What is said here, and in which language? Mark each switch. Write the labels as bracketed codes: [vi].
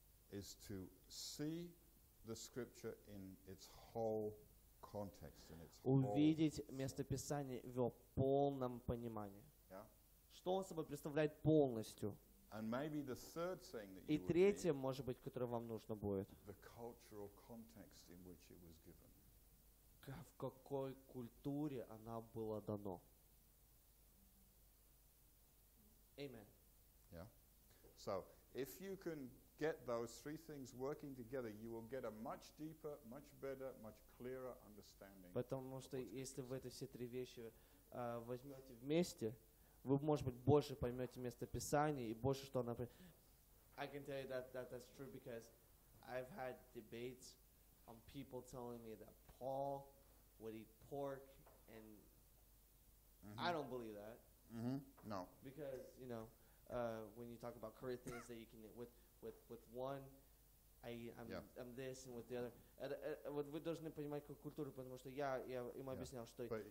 [en] is to see the scripture in its whole context, in its [ru] увидеть местописание в его полном понимании. [en] Yeah? [ru] Что он собой представляет полностью? [en] And maybe the third thing that [ru] и третье, может быть, которое вам нужно будет, [en] the cultural context in which it was given. [ru] В какой культуре она была дано. [en] Amen. Yeah. So, if you can get those three things working together, you will get a much deeper, much better, much clearer understanding. [ru] Потому что если вы эти все три вещи возьмете вместе, вы, может быть, больше поймете место Писания и больше, что оно... [en] I can tell you that that's true because I've had debates on people telling me that Paul would eat pork and mm-hmm. I don't believe that. Mm-hmm. No. Because, you know, when you talk about Corinthians that you can eat with one, I'm this and with the other. [ru] Вот вы должны понимать культуру, потому что я ему объяснял, что...